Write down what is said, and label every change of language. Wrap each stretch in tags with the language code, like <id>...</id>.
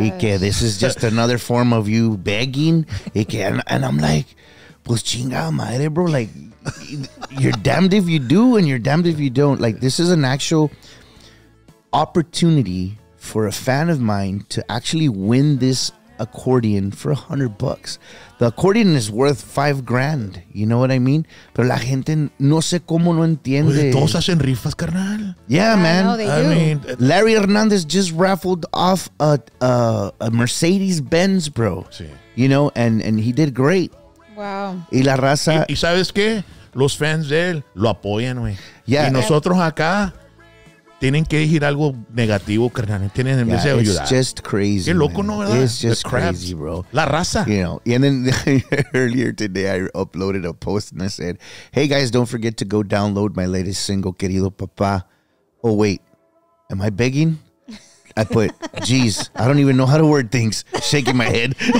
<es>Y que</es> <en>this is just another form of you begging. Y que, and I'm like,</en> <es>pues chinga madre,</es> <en>bro. Like, you're damned if you do and you're damned if you don't. Like, this is an actual opportunity for a fan of mine to actually win this accordion for $100. The accordion is worth $5,000. You know what I mean?</en> <es>Pero la gente no sé cómo no entiende. Oye, todos hacen rifas, carnal.</es> <en>Yeah, man. I mean, Larry Hernandez just raffled off a Mercedes-Benz, bro.</en> <es>Sí.</es> <en>You know, and he did great. Wow.</en> <es>Y la raza. Y sabes qué? Los fans de él lo apoyan, güey.</es> <en>Yeah.</en> <es>Y nosotros acá tienen que decir algo negativo, carnal. Tienen en vez de ayudar.</es> <en>It's just crazy.</en> <es>Qué loco, ¿no, verdad?</es> <en>It's just crazy, bro.</en> <es>La raza.</es> <en>You know, and then earlier today I uploaded a post and I said, hey guys, don't forget to go download my latest single, Querido Papá. Oh, wait. Am I begging? I put, geez, I don't even know how to word things. Shaking my head.</en>